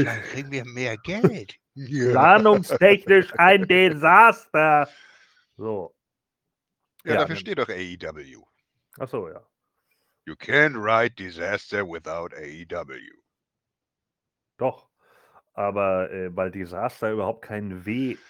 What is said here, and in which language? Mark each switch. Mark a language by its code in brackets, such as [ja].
[de] dann kriegen wir mehr Geld. Yeah. Planungstechnisch ein Desaster. So. Ja, dafür steht doch AEW. Ach so, ja. [en] You can't write disaster without AEW. [de] Doch. Aber weil Disaster überhaupt kein W.